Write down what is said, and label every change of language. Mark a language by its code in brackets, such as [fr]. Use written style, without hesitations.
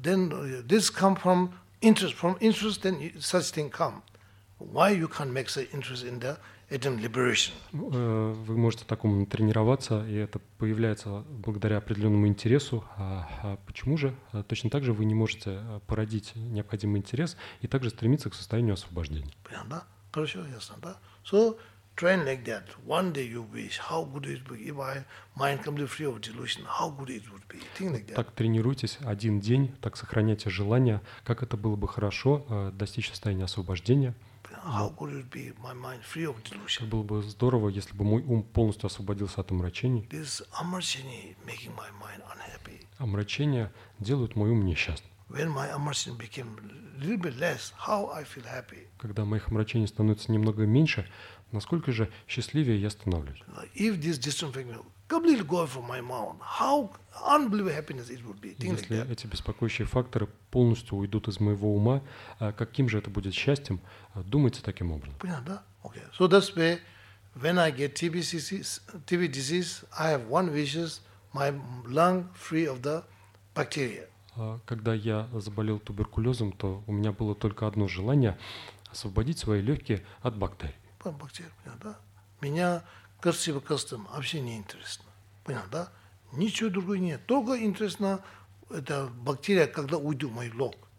[en] Then this come from interest, then such thing come. Why you can't make such interest in the Eden liberation? [ru] Вы можете такому тренироваться, и это появляется благодаря определенному интересу. А почему же точно так же вы не можете породить необходимый интерес и также стремиться к состоянию освобождения? Понятно, да? Хорошо, ясно, да? [en] So, train like that. One day you wish, how good it would be if my mind completely free of delusion. How good it would be. Think like that. [ru] Так тренируйтесь один день, так сохраняйте желание, как это было бы хорошо достичь состояния освобождения. [en] How good it would be if my mind free of delusion. [ru] Было бы здорово, если бы мой ум полностью освободился от омрачений. [en] This amarchini making my mind unhappy. [ru] Омрачения делают мой ум несчастным. [en] When my amarchini became a little bit less, how I feel happy. [ru] Когда моих омрачений становится немного меньше, насколько же счастливее я становлюсь? [en] If this distant thing completely go from my mind, how unbelievable happiness it would be. Think [ru] Если [en] like that. [ru] Эти беспокоящие факторы полностью уйдут из моего ума, каким же это будет счастьем? Думайте таким образом. Понятно, да? Okay. [en] So that's where, when I get TB disease, I have one wish: my lung free of the bacteria. [ru] Когда я заболел туберкулезом, то у меня было только одно желание — освободить свои легкие от бактерий. Понятно, да? Меня красиво-красиво вообще не интересно. Понятно, да? Ничего другого нет. Только интересно эта бактерия, когда уйдет мой лог.